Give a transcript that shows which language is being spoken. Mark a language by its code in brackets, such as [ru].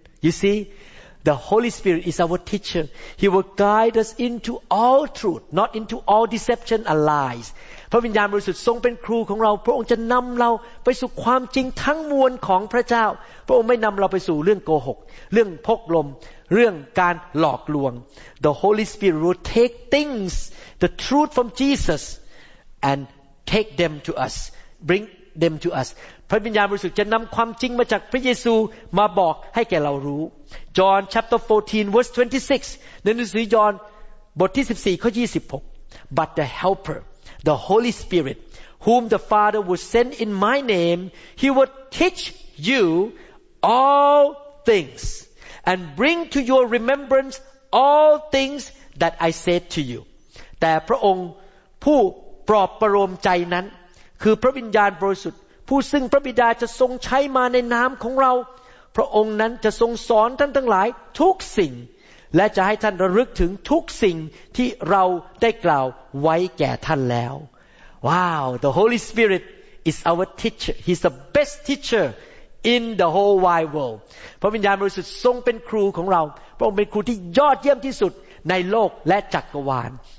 [en] You see the Holy Spirit is our teacher he will guide us into all truth not into all deception and lies [th] พระวิญญาณบริสุทธิ์ทรงเป็นครูของเราพระองค์จะนำเราไปสู่ความจริงทั้งมวลของพระเจ้าพระองค์ไม่นำเราไปสู่เรื่องโกหกเรื่องพกลมเรื่องการหลอกลวง [en] The Holy Spirit will take things the truth from Jesus and take them to us bring them to us [th] พระวิญญาณบริสุทธิ์จะนำความจริงมาจากพระเยซูมาบอกให้แก่เรารู้ [en] John chapter 14 verse 26 [th] ในหนังสือยอห์นบทที่14ข้อ26 [en] But the helper the Holy Spirit whom the Father will send in my name he will teach you all thingsAnd bring to your remembrance all things that I said to you. [th] แต่พระองค์ผู้ปลอบประโลมใจนั้นคือพระวิญญาณบริสุทธิ์ผู้ซึ่งพระบิดาจะทรงใช้มาในนามของเราพระองค์นั้นจะทรงสอนท่านทั้งหลายทุกสิ่งและจะให้ท่านระลึกถึงทุกสิ่งที่เราได้กล่าวไว้แก่ท่านแล้วว้าว [en] the Holy Spirit is our teacher he's the best teacherin the whole wide world [th] พระวิญญาณบริสุทธิ์ทรงเป็นครูของเราพระองค์เป็นครูที่ยอดเยี่ยมที่สุดในโลกและจักรวาล